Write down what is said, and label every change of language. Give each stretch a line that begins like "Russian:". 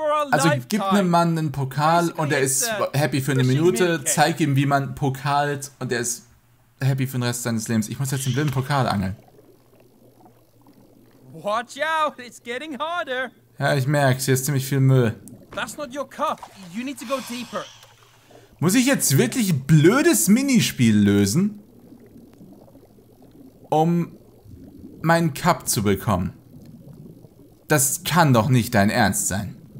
German: Also gib einem Mann einen Pokal und er ist happy für eine Minute. Zeig ihm, wie man pokalt und er ist happy für den Rest seines Lebens. Ich muss jetzt den blinden Pokal angeln.
English: Watch out, it's getting harder.
German: Ja, ich merk's, hier ist ziemlich viel Müll.
English: That's not your cup. You need to go deeper.
German: Muss ich jetzt wirklich ein blödes Minispiel lösen, um meinen Cup zu bekommen? Das kann doch nicht dein Ernst sein.